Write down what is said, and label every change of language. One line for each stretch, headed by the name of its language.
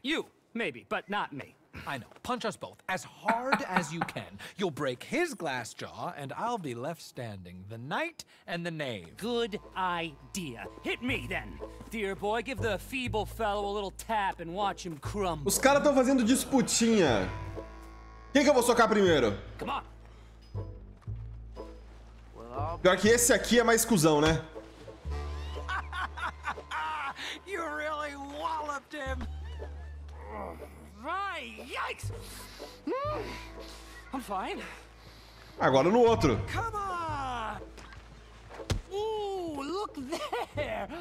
English: You, maybe, but not me. I know. Punch us both as hard as you can. You'll break his glass jaw, and I'll be left standing. The knight and the knave. Good idea. Hit me, then. Dear boy, give the feeble fellow a little tap and watch him crumble.
Portuguese: Os caras estão fazendo disputinha. Quem que eu vou socar primeiro?
English: Come on.
Portuguese: Pior que esse aqui é mais cuzão, né?
English: You really walloped him.
Portuguese: Vai, yikes!
English: I'm fine.
Portuguese: Agora no outro.
English: Come on! Ooh, look there!